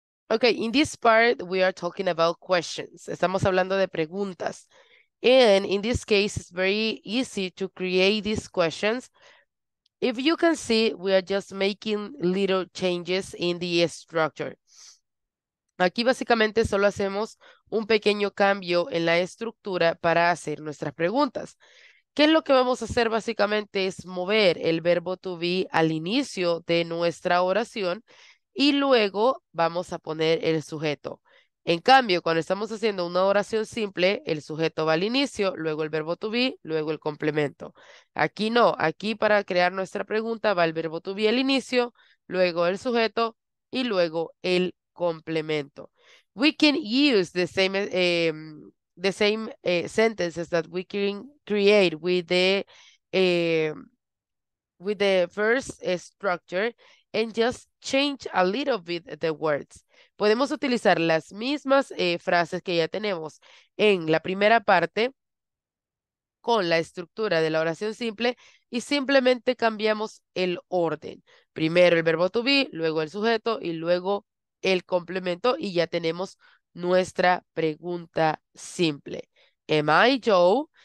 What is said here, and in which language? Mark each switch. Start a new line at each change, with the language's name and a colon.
English: Okay, in this part, we are talking about questions.
Spanish: Estamos hablando de preguntas.
English: And in this case, it's very easy to create these questions. If you can see, we are just making little changes in the structure.
Spanish: Aquí básicamente solo hacemos un pequeño cambio en la estructura para hacer nuestras preguntas. ¿Qué es lo que vamos a hacer básicamente? Es mover el verbo to be al inicio de nuestra oración y luego vamos a poner el sujeto. En cambio, cuando estamos haciendo una oración simple, el sujeto va al inicio, luego el verbo to be, luego el complemento. Aquí no, aquí para crear nuestra pregunta va el verbo to be al inicio, luego el sujeto y luego el complemento.
English: We can use the same sentences that we can create with the first structure and just change a little bit the words.
Spanish: Podemos utilizar las mismas frases que ya tenemos en la primera parte con la estructura de la oración simple y simplemente cambiamos el orden. Primero el verbo to be, luego el sujeto y luego el complemento y ya tenemos nuestra pregunta simple.
English: Am I Joe?